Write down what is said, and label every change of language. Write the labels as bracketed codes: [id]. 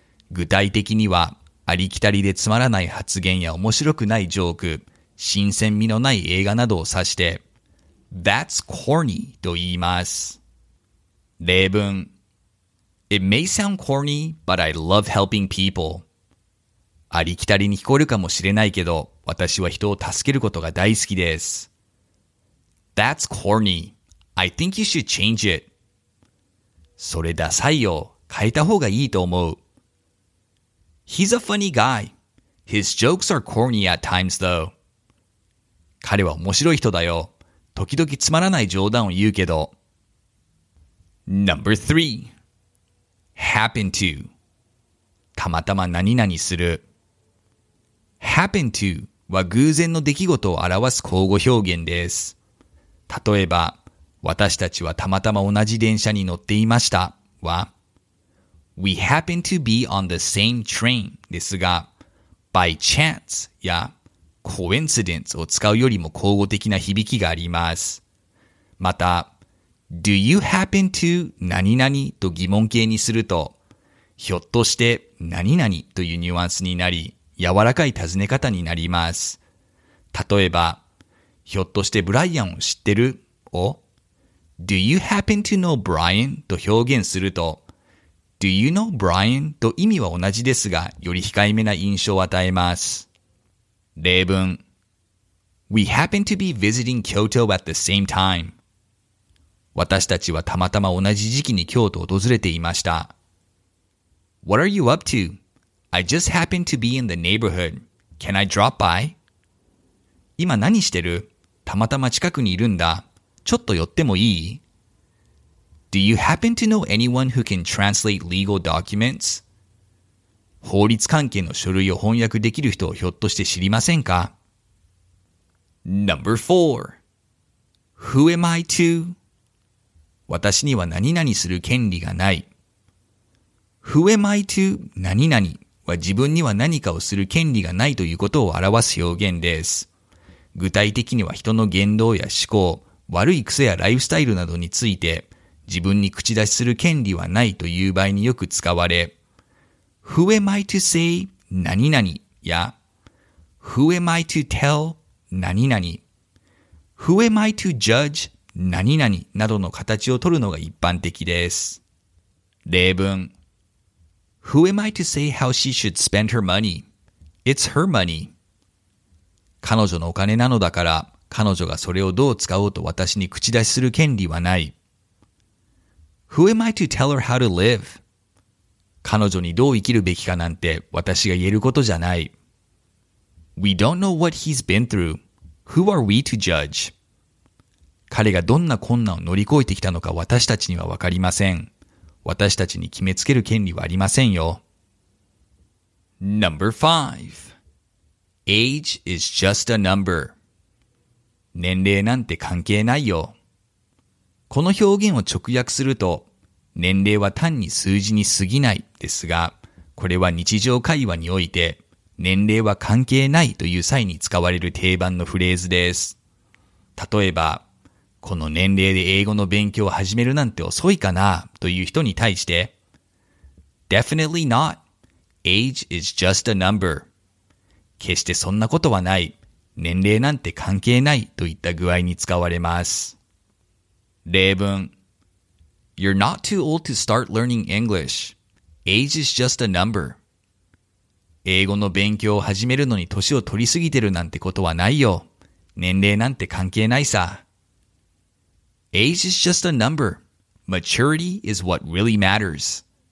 [ja] 具体的には、ありきたりでつまらない発言や面白くないジョーク、新鮮味のない映画などを指して、 [en] That's corny [ja] と言います。例文。 [en] It may sound corny, but I love helping people. [ja] ありきたりに聞こえるかもしれないけど、私は人を助けることが大好きです。 [en] That's corny. I think you should change it. [ja] それダサいよ。変えた方がいいと思う。 [en] He's a funny guy. His jokes are corny at times, though. [ja] 彼は面白い人だよ。時々つまらない冗談を言うけど。 [en] Number three. Happen to. [ja] たまたま何々する。 Happen to は偶然の出来事を表す口語表現です。例えば、私たちはたまたま同じ電車に乗っていましたは、 [en] We happen to be on the same train [ja] ですが、by chance や coincidence を使うよりも口語的な響きがあります。また、 [en] Do you happen to [ja] 何々と疑問形にすると、ひょっとして何々というニュアンスになり、柔らかい尋ね方になります。例えば、ひょっとしてブライアンを知ってる? を [en] Do you happen to know Brian? [ja] と表現すると [en] Do you know Brian? [ja] と意味は同じですが、より控えめな印象を与えます。例文 [en] We happen to be visiting Kyoto at the same time. [ja] 私たちはたまたま同じ時期に京都を訪れていました。 [en] What are you up to? I just happen to be in the neighborhood. Can I drop by? [ja] 今何してる? たまたま近くにいるんだ。ちょっと寄ってもいい? [en] Do you happen to know anyone who can translate legal documents? [ja] 法律関係の書類を翻訳できる人をひょっとして知りませんか? [en] Number four. Who am I to? [ja] 私には何々する権利がない。 [en] Who am I to? 何 [ja] 々は自分には何かをする権利がないということを表す表現です。具体的には人の言動や思考、悪い癖やライフスタイルなどについて、自分に口出しする権利はないという場合によく使われ、 [en] Who am I to say 何々 [ja] や、 [en] Who am I to tell 何々、 Who am I to judge [ja] 何々などの形を取るのが一般的です。 [en] 例文 Who am I to say how she should spend her money? It's her money. [ja] 彼女のお金なのだから、彼女がそれをどう使おうと私に口出しする権利はない。 [en] Who am I to tell her how to live? [ja] 彼女にどう生きるべきかなんて私が言えることじゃない。 [en] We don't know what he's been through. Who are we to judge? [ja] 彼がどんな困難を乗り越えてきたのか私たちにはわかりません。私たちに決めつける権利はありませんよ。 [en] Number five. Age is just a number. [ja] 年齢なんて関係ないよ。この表現を直訳すると、年齢は単に数字に過ぎないですが、これは日常会話において、年齢は関係ないという際に使われる定番のフレーズです。例えば、この年齢で英語の勉強を始めるなんて遅いかなという人に対して、 [en] Definitely not. Age is just a number. [ja] 決してそんなことはない。年齢なんて関係ないといった具合に使われます。 [en] 例文 You're not too old to start learning English. Age is just a number. [ja] 英語の勉強を始めるのに年を取りすぎてるなんてことはないよ。年齢なんて関係ないさ。 [en] Age is just a number. Maturity is what really matters.